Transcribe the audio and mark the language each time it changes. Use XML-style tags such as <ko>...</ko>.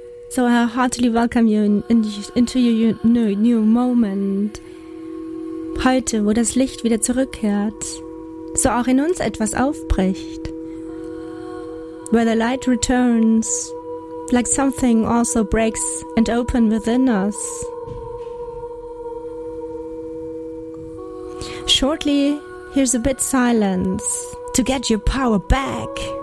<en>So I heartily welcome you into your new moment.</en> <de>Heute, wo das Licht wieder zurückkehrt, so auch in uns etwas aufbricht.</de> <en>Where the light returns, like something also breaks and open within us. Shortly, here's a bit silence to get your power back.</en>